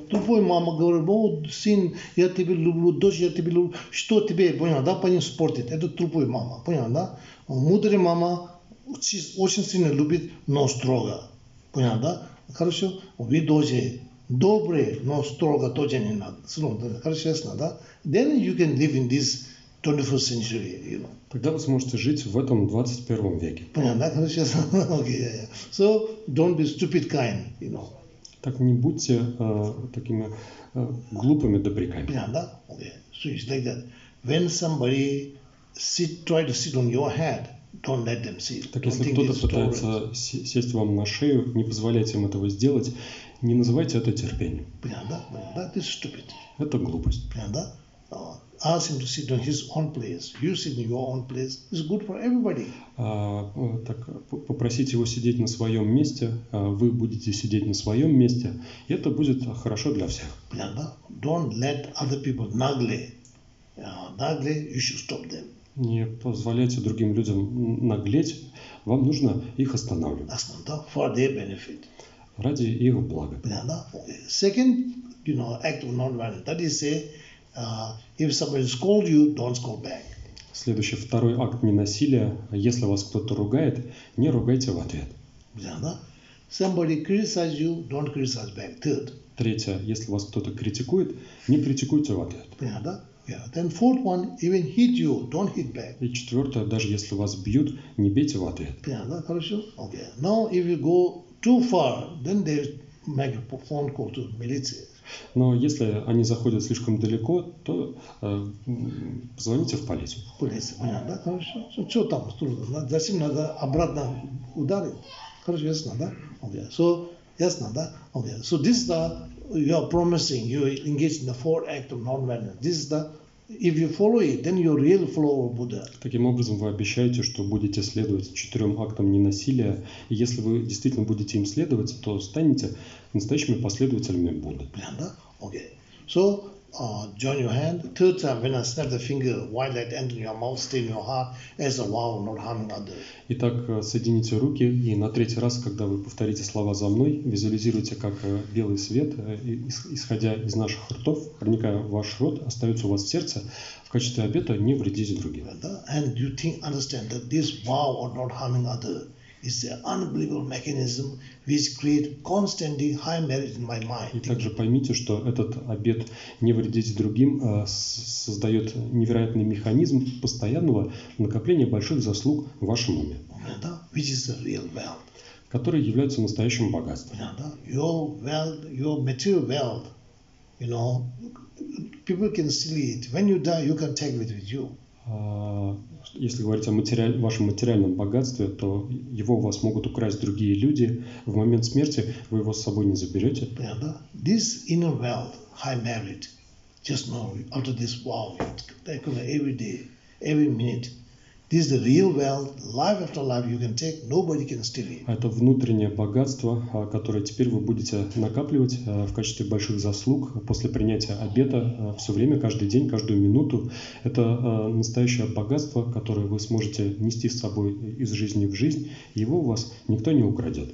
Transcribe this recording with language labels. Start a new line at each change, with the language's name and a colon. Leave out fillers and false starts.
Russian: Тупой мама говорит, о, сын, я тебя люблю, дочь, я тебя люблю. Что тебе, понятно, да, по ним спортит? Это тупой мама, понятно, да? Мудрый мама очень сильно любит, но строго. Понятно, да? Хорошо, вы тоже добрые, но строго тоже не надо. Хорошо, ясно, да?
English: Then you can live in this 21st century, you know.
Russian: Тогда вы сможете жить в этом 21 веке. Понятно, да? Хорошо, ясно.
English: Okay, yeah, yeah. So, don't be stupid kind, you know.
Russian: Так не будьте такими глупыми добряками. Понятно, да?
English: Okay. So it's like that. When somebody try to sit on your head, don't let them sit.
Russian: Так если кто-то пытается сесть вам на шею, не позволяйте им этого сделать. Не называйте это терпением. Понятно, да? Понятно, да?
English: This is stupid.
Russian: Это глупость. Понятно, да?
English: Ask him to sit on his own place. You sit in your own place. It's good for everybody.
Russian: Так попросить его сидеть на своем месте, вы будете сидеть на своем месте, и это будет хорошо для всех. Понятно, да?
English: Don't let other people nagle. Nagle, you should stop them.
Russian: Не позволяйте другим людям наглеть. Вам нужно их останавливать. Останавливать, да?
English: For their benefit.
Russian: Ради их блага. Понятно, да?
English: Second, you know, act of non-violence. That is say, if somebody scold you, don't scold back.
Russian: Следующий, второй акт ненасилия. Если вас кто-то ругает, не ругайте в ответ. Понятно, да?
English: Somebody criticize you, don't criticize back. Third.
Russian: Третье, если вас кто-то критикует, не критикуйте в ответ. Понятно, да? Yeah.
English: Then fourth one, even hit you, don't hit back.
Russian: И четвертое, даже если вас бьют, не бейте в ответ. Понятно, да? Хорошо? Okay.
English: Now, if you go too far, then they make a phone call to militia.
Russian: Но если они заходят слишком далеко, то позвоните в полицию. Полиция, понятно, да? Хорошо. Что там? Зачем надо обратно ударить? Хорошо, ясно, да? Okay. So, ясно, да? Okay.
English: So, this is the, you are promising, you engage in the fourth act of non-violence. This is the, if you follow it, then you really follow Buddha.
Russian: Таким образом, вы обещаете, что будете следовать четырем актам ненасилия. И если вы действительно будете им следовать, то станете настоящими последователями Будды. Понятно, да?
English: Okay. So, join your hand. Third time, when I snap the finger, why let enter your mouth, stay in your heart, as a vow, not harming others.
Russian: Итак, соедините руки, и на третий раз, когда вы повторите слова за мной, визуализируйте, как белый свет, исходя из наших ртов, проникая в ваш рот, остается у вас в сердце, в качестве обета не вредите другим. Да?
English: And you think, understand that this vow of not harming others, it's an unbelievable mechanism which create constantly high merit in my mind.
Russian: И также поймите, что этот обет не вредить другим создает невероятный механизм постоянного накопления больших заслуг в вашем уме. Да?
English: Which is a real wealth.
Russian: Который является настоящим богатством. Да?
English: Your wealth, your material wealth, you know, people can steal it. When you die, you can take it with you.
Russian: Если говорить о вашем материальном богатстве, то его у вас могут украсть другие люди. В момент смерти вы его с собой не заберете. Yeah, да?
English: This inner wealth, high merit, just know, after this vow, every day, every minute, this is the real wealth, life after life you can take, nobody can steal it.
Russian: Это внутреннее богатство, которое теперь вы будете накапливать в качестве больших заслуг после принятия обета все время, каждый день, каждую минуту. Это настоящее богатство, которое вы сможете нести с собой из жизни в жизнь. Его у вас никто не украдет.